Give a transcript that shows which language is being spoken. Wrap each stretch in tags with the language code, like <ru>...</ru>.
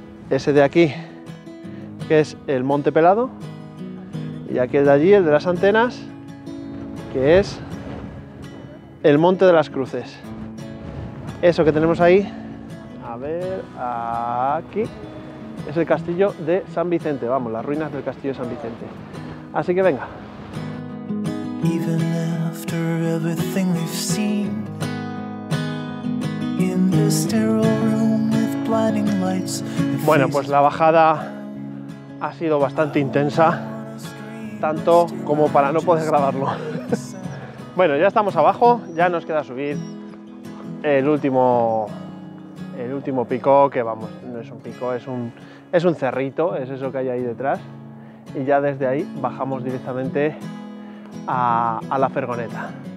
<es>Ese de aquí, que es el Monte Pelado, y aquel de allí, el de las antenas, que es el Monte de las Cruces. Eso que tenemos ahí, a ver, aquí, es el castillo de San Vicente, vamos, las ruinas del castillo de San Vicente. Así que venga.</es> <en>Even after everything we've seen, in the sterile room with blinding lights.</en> <es>Bueno, pues la bajada ha sido bastante intensa, tanto como para no poder grabarlo. Bueno, ya estamos abajo, ya nos queda subir el último pico, que vamos, no es un pico, es un cerrito, es eso que hay ahí detrás, y ya desde ahí bajamos directamente a la Fergoneta.</es>